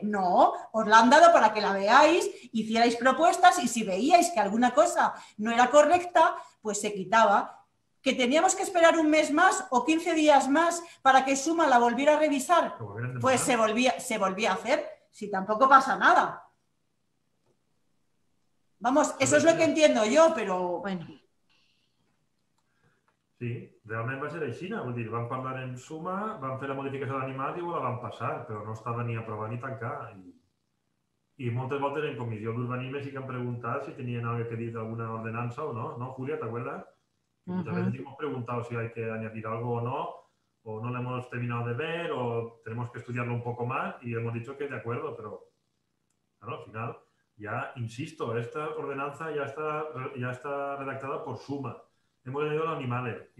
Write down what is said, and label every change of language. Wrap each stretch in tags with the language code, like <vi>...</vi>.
<es>No, os la han dado para que la veáis, hicierais propuestas y si veíais que alguna cosa no era correcta, pues se quitaba. ¿Que teníamos que esperar un mes más o 15 días más para que Suma la volviera a revisar? Pues se volvía a hacer, si tampoco pasa nada. Vamos, eso es lo que entiendo yo, pero bueno.</es> <ca>Sí, realment va ser així, vull dir, van parlar en Suma, van fer la modificació d'animat i la van passar, però no estava ni aprovada ni tancada. I moltes voltes en comissió d'urbanisme sí que han preguntat si tenien alguna cosa que dir d'alguna ordenança o no.</ca> <es>No, Julia, t'acuerdas? Muchas veces hemos preguntado si hay que añadir algo o no lo hemos terminado de ver, o tenemos que estudiarlo un poco más, y hemos dicho que de acuerdo, pero claro, al final, ya insisto, esta ordenanza ya está redactada por Suma. Hemos añadido los animales.</es>